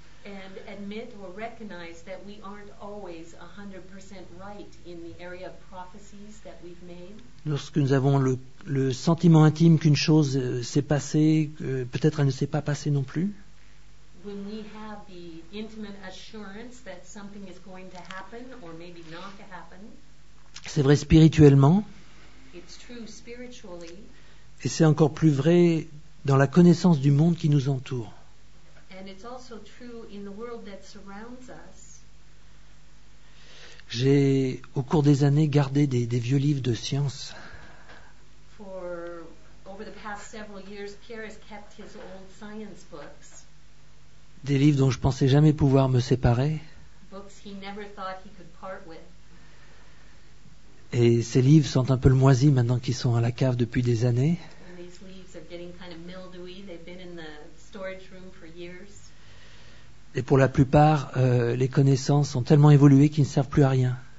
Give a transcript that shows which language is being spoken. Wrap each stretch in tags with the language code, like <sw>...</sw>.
<en>And admit or recognize that we aren't always 100% right in the area of prophecies that we've made.</en> <fr>Lorsque nous avons le sentiment intime qu'une chose s'est passée, peut-être elle ne s'est pas passée non plus.</fr> <en>When we have the intimate assurance that something is going to happen or maybe not to happen.</en> <fr>C'est vrai spirituellement.</fr> <en>It's true spiritually.</en> <fr>Et c'est encore plus vrai dans la connaissance du monde qui nous entoure.</fr> <en>And it's also true in the world that surrounds us.</en> <fr>J'ai, au cours des années, gardé des vieux livres de science.</fr> <en>Over the past several years, Pierre has kept his old science books.</en> <fr>Des livres dont je pensais jamais pouvoir me séparer.</fr> <en>Books he never thought he could part with.</en> <fr>Et ces livres sont un peu le moisi maintenant qu'ils sont à la cave depuis des années.</fr> <en>And these leaves are getting kind of mildewy. They've been in the storage room for years.</en> <fr>Et pour la plupart, les connaissances ont tellement évolué qu'ils ne servent plus à rien.</fr>